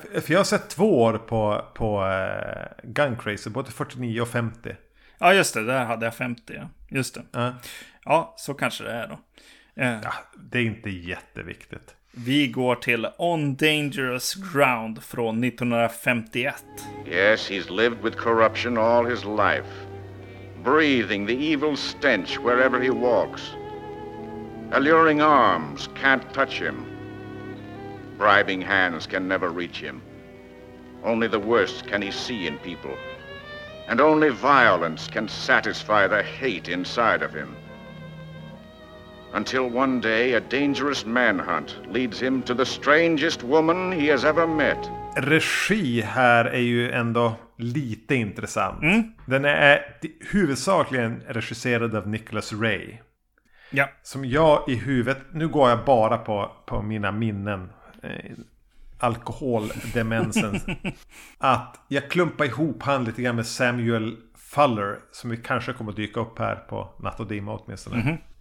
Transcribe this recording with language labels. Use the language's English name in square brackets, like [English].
[Swedish] För jag har sett 2 år på Gun Crazy, både 49 och 50. Ja, just det. Där hade jag 50. Ja. Just det. Ja, så kanske det är då. Ja, det är inte jätteviktigt. Vi går till On Dangerous Ground från 1951. [English] Yes, he's lived with corruption all his life. Breathing the evil stench wherever he walks. Alluring arms can't touch him. Bribing hands can never reach him. Only the worst can he see in people. And only violence can satisfy the hate inside of him. Until one day a dangerous manhunt leads him to the strangest woman he has ever met. [Swedish] Regi här är ju ändå lite intressant. Mm. Den är huvudsakligen regisserad av Nicholas Ray. Ja. Som jag i huvudet, nu går jag bara på mina minnen. alkoholdemensen. Att jag klumpar ihop han lite grann med Samuel Fuller, som vi kanske kommer dyka upp här på Natt och Dimma åtminstone. Mm-hmm.